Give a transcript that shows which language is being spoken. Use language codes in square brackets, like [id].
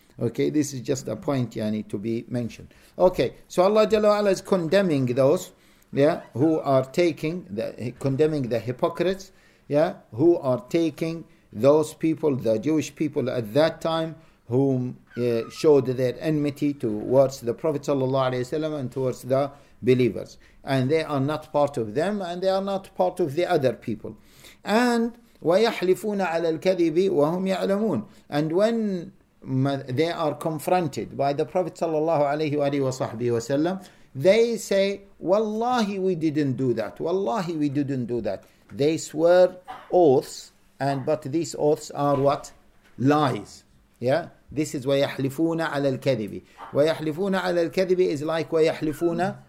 [en] Okay, this is just a point to be mentioned. Okay, so Allah Jalla wa'ala is condemning those, yeah, who are taking condemning the hypocrites, yeah, who are taking those people, the Jewish people at that time, whom showed their enmity towards the Prophet sallallahu alaihi wasallam and towards the believers, and they are not part of them, and they are not part of the other people. [ar] And وَيَحْلِفُونَ عَلَى الْكَذِبِ وَهُمْ يَعْلَمُونَ. [en] And when they are confronted by the Prophet sallallahu alaihi wasallam, they say, "Wallahi, we didn't do that. Wallahi, we didn't do that." They swear oaths, but these oaths are what? Lies. Yeah? This is [ar] وَيَحْلِفُونَ عَلَى الْكَذِبِ. وَيَحْلِفُونَ عَلَى الْكَذِبِ [en] is like [ar] وَيَحْلِفُونَ.